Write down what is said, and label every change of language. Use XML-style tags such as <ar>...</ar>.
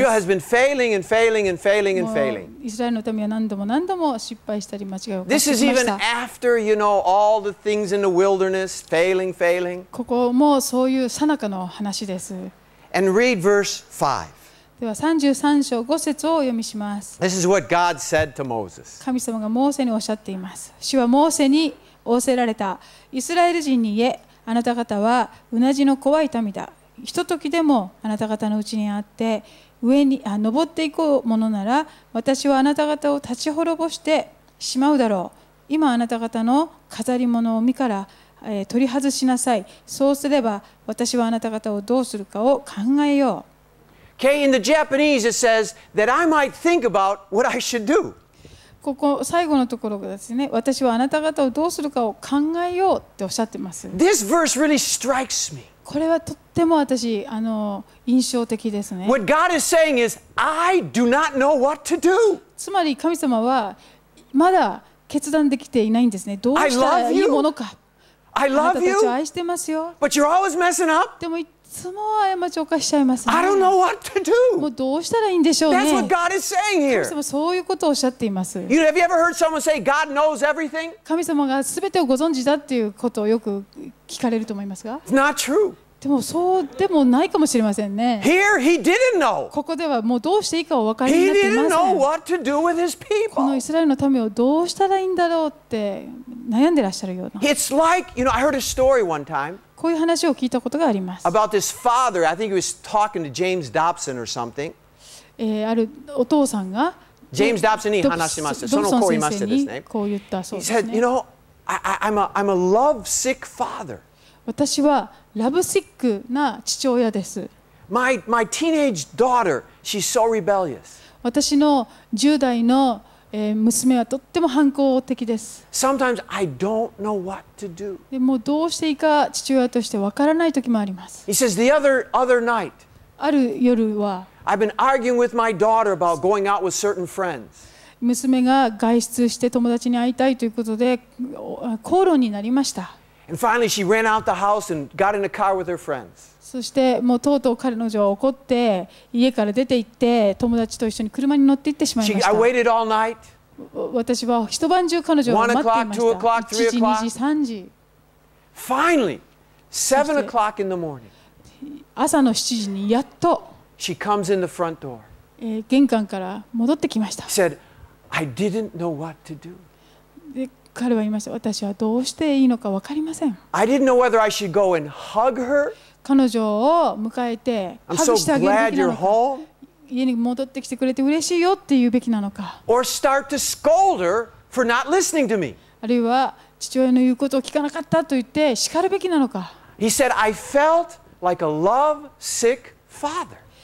<en>Israel has been failing and failing and failing and failing.</en> <ja>イスラエルの民は何度も何度も失敗したり間違いを犯してきました。</ja> <en>This is even after, you know, all the things in the wilderness, failing, failing.</en> <ja>ここもそういう最中の話です。</ja> <en>And read verse 5.</en> <ja>では33章5節を読みします。</ja> <en>This is what God said to Moses.</en> <ja>神様がモーセにおっしゃっています。主はモーセに仰せられた。イスラエル人に言え、あなた方はうなじの怖い民だ。ひとときでもあなた方のうちにあって登っていこうものなら、私はあなた方を立ち滅ぼしてしまうだろう。今あなた方の飾り物を身から取り外しなさい。そうすれば私はあなた方をどうするかを考えよう。</ja> <en>Okay, in the Japanese it says that I might think about what I should do.</en> <ja>ここ最後のところですね。私はあなた方をどうするかを考えようっておっしゃってます。</ja> <en>This verse really strikes me.</en> <ja>これはとっても私印象的ですね。</ja> <en>What God is saying is, I do not know what to do.</en> <ja>つまり神様はまだ決断できていないんですね。どうしたらいいものか。</ja> <en>I love you.</en> <ja>あなたたちを愛してますよ。</ja> <en>But you're always messing up.</en> <ja>いつも過ちを犯しちゃいますね。</ja> <en>I don't know what to do.</en> <ja>もうどうしたらいいんでしょうね。</ja> <en>That's what God is saying here.</en> <ja>神様そういうことをおっしゃっています。</ja> <en>You know, have you ever heard someone say God knows everything?</en> <ja>神様がすべてをご存知だっていうことをよく聞かれると思いますが。</ja> <en>It's not true.</en> <ja>でもそうでもないかもしれませんね。</ja> <en>Here he didn't know.</en> <ja>ここではもうどうしていいかを分かりになっていません。</ja> <en>He didn't know what to do with his people.</en> <ja>このイスラエルの民をどうしたらいいんだろうって悩んでらっしゃるような。</ja> <en>It's like, you know, I heard a story one time.</en> <ja>こういう話を聞いたことがあります。</ja> <en>About this father, I think he was talking to James Dobson or something.</en> <ja>あるお父さんが James Dobson に話しました。その子いましたですね。こう言ったそうですね。</ja> <en>He said, you know, I'm a love sick father.</en> <ja>私はラブシックな父親です。</ja> <en>My teenage daughter, she's so rebellious.</en> <ja>私の10代の娘はとっても反抗的です。</ja> <en>Sometimes I don't know what to do.</en> <ja>でもどうしていいか父親としてわからない時もあります。</ja> <en>He says the other night.</en> <ja>ある夜は。</ja> <en>I've been arguing with my daughter about going out with certain friends.</en> <ja>娘が外出して友達に会いたいということで口論になりました。</ja> <en>And finally she ran out the house and got in a car with her friends.</en> <ja>そしてもうとうとう彼女は怒って家から出て行って友達と一緒に車に乗って行ってしまいました。</ja> <en>She, all night.</en> <ja>私は一晩中彼女を待っていました。</ja> <en>1 o'clock, 2 o'clock, 3 o'clock.</en> <ja>1時、2時、3時。</ja> <en>Finally, 7 o'clock in the morning.</en> <ja>朝の7時にやっと</ja> <en>She comes in the front door.</en> <ja>玄関から戻ってきました。</ja> <en>She said, I didn't know what to do.</en> <ja>で彼は言いました。私はどうしていいのか分かりません。</ja> <en>I didn't know whether I should go and hug her.</en> <ja>彼女を迎えてハグしてあげるべきなのか、家に戻ってきてくれて嬉しいよって言うべきなのか、あるいは父親の言うことを聞かなかったと言って叱るべきなのか。</ja> <en>He said, I felt like a love sick father.</en>